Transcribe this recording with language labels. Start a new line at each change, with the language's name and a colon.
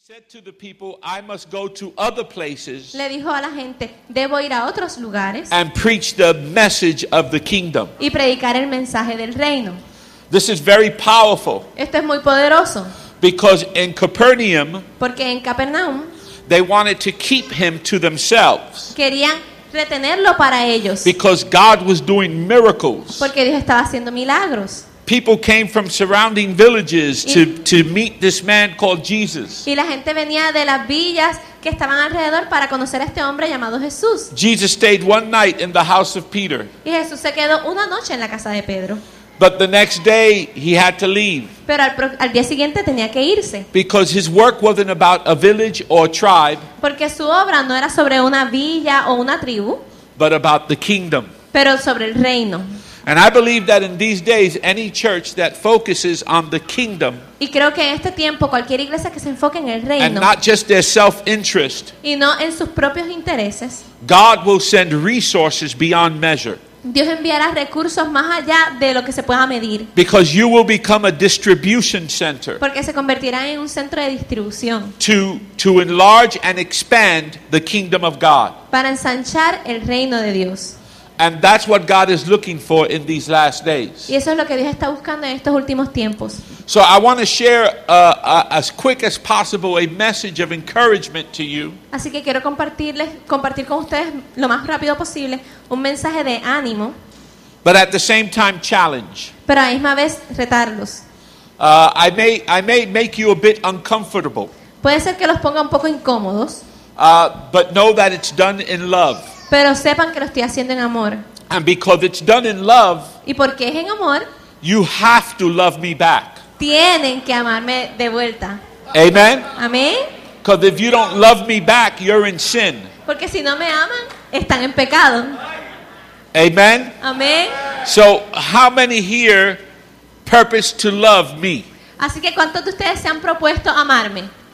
English: said to the people, I must go to other places.
Spanish: Le dijo a la gente, debo ir a otros lugares.
English: And preach the message of the kingdom.
Spanish: Y predicar el mensaje del reino.
English: This is very powerful.
Spanish: Esto es muy poderoso.
English: Because in Capernaum,
Spanish: porque en Capernaum,
English: they wanted to keep him to themselves.
Spanish: Querían retenerlo para ellos.
English: Because God was doing miracles.
Spanish: Porque Dios estaba haciendo milagros.
English: People came from surrounding villages to meet this man called Jesus.
Spanish: Y la gente venía de las villas que estaban alrededor para conocer a este hombre llamado Jesús.
English: Jesus stayed one night in the house of Peter.
Spanish: Y Jesús se quedó una noche en la casa de Pedro.
English: But the next day he had to leave.
Spanish: Pero al día siguiente tenía que irse.
English: Because his work wasn't about a village or a tribe.
Spanish: Porque su obra no era sobre una villa o una tribu.
English: But about the kingdom.
Spanish: Pero sobre el reino.
English: And I believe that in these days, any church that focuses on the kingdom,
Spanish: y creo que en este tiempo cualquier iglesia que se enfoque en el reino,
English: and not just their self-interest,
Spanish: y no en sus propios intereses,
English: God will send resources beyond measure.
Spanish: Dios enviará recursos más allá de lo que se pueda medir.
English: Because you will become a distribution center.
Spanish: Porque se convertirá en un centro de distribución.
English: To enlarge and expand the kingdom of God.
Spanish: Para ensanchar el reino de Dios.
English: And that's what God is looking for in these last days.
Spanish: Y eso es lo que Dios está buscando en estos últimos tiempos.
English: So I want to share as quick as possible a message of encouragement to you.
Spanish: Así que quiero compartir con ustedes lo más rápido posible un mensaje de ánimo.
English: But at the same time challenge.
Spanish: Pero a la misma vez retarlos.
English: I may make you a bit uncomfortable.
Spanish: Puede ser que los ponga un poco incómodos.
English: But know that it's done in love.
Spanish: Pero sepan que lo estoy haciendo en amor.
English: And because it's done in love,
Spanish: y porque es en amor,
English: you have to love me back.
Spanish: Tienen que amarme de vuelta.
English: Amen.
Spanish: Amén.
English: Because if you don't love me back, you're in sin.
Spanish: Porque si no me aman, están en pecado.
English: Amen.
Spanish: Amén.
English: So how many here purpose to love me?
Spanish: Así que ¿cuántos de ustedes se han propuesto amarme?